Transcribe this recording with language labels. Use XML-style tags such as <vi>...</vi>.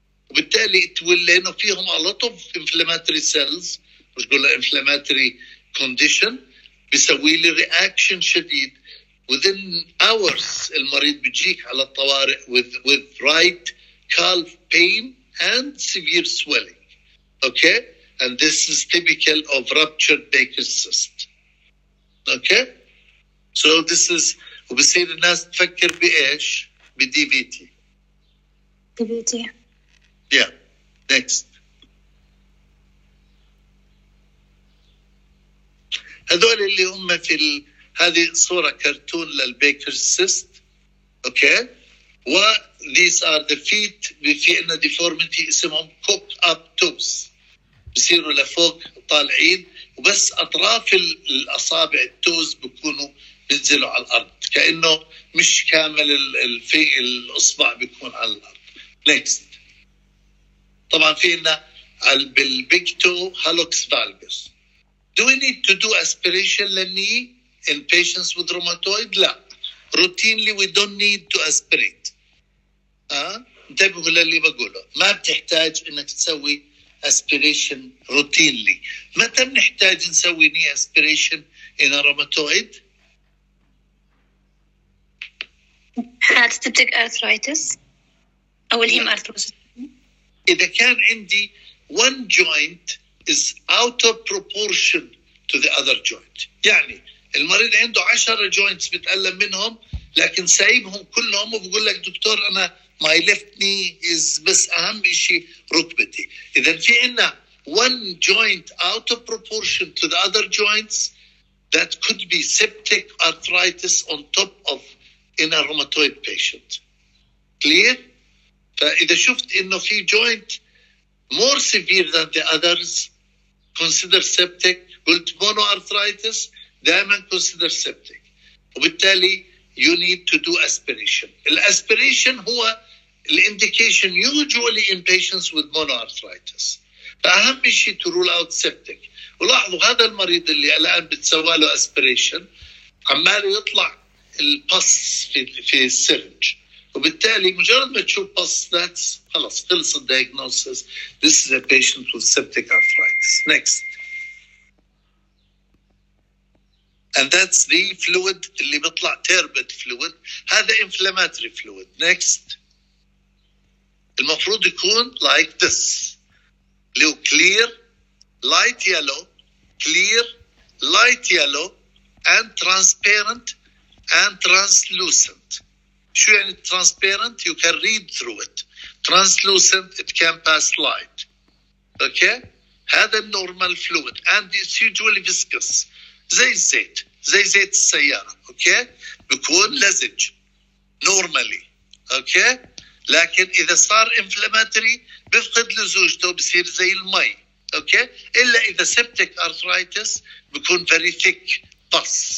<ar>وبالتالي تقول لأنه فيهم</ar> <en>a lot of inflammatory cells مش قولها inflammatory condition</en> <ar>بيسوي لي</ar> <en>reaction شديد within hours</en> <ar>المريض بيجيك على الطوارئ</ar> <en>with right calf pain and severe swelling okay and this is typical of ruptured Baker's cyst okay so this is</en> <ar>وبصير الناس تفكر بإيش</ar> <en>بDVT DVT Yeah, next.</en> <ar>هذول اللي هم في هذه صورة كرتون للبيكر سيست.</ar> <en>Okay. These are the feet.</en> <ar>في عنا deformity اسمهم cooked up toes. بصيروا لفوق طالعين. وبس أطراف الأصابع التوز بكونوا بنزلوا على الأرض. كأنه مش كامل الأصبع بيكون على الأرض.</ar> <en>Next.</en> <ar>طبعا فينا بالبيكتو</ar> <en>هالوكس فالجس Do we need to do aspiration للني in patients with rheumatoid?</en> <ar>لا</ar> <en>Routinely we don't need to aspirate</en> <ar>انتبهوا للي بقوله ما بتحتاج انك تسوي aspiration routinely متى بنحتاج نسوي ني aspiration in a rheumatoid?</ar> <en>Arthritis أو الهيم أرثروسس</en> <ar>إذا كان عندي</ar> <en>one joint is out of proportion to the other joint.</en> <ar>يعني المريض عنده 10 joints بتألم منهم لكن سايبهم كلهم وبقول لك دكتور أنا</ar> <en>my left knee is</en> <ar>بس أهم شيء ركبتي.</ar> <en>إذا في عنا one joint out of proportion to the other joints, that could be septic arthritis on top of in a rheumatoid patient. Clear?</en> <ar>فإذا شفت إنه في</ar> <en>joint more severe than the others, consider septic. قلت mono arthritis, دائما consider septic. وبالتالي you need to do aspiration.</en> <ar>الaspiration هو الindication</ar> <en>usually in patients with mono arthritis. فأهم شيء to rule out septic.</en> <ar>ولاحظوا هذا المريض اللي الآن بتسوى له aspiration عمال يطلع البص في السيرنج. وبالتالي مجرد ما تشوف بص</ar> <en>that's</en> <ar>خلاص خلص الدياجنوسيس.</ar> <en>This is a patient with septic arthritis. Next. And that's the fluid</en> <ar>اللي بيطلع</ar> <en>turbid fluid.</en> <ar>هذا</ar> <en>inflammatory fluid. Next. المفروض يكون like this. لو clear, light yellow, clear, light yellow, and transparent, and translucent.</en> <ar>شو يعني transparent?</ar> <en>You can read through it. Translucent, it can pass light. Okay? هذا normal fluid. And it's usually viscous.</en> <ar>زي الزيت. زي زيت السيارة.</ar> <en>Okay?</en> <ar>بيكون لزج. Normally. Okay? لكن إذا صار inflammatory, بيفقد لزوجته بصير زي المي.</ar> <en>Okay? إلا إذا septic arthritis, بيكون very thick pus.</en>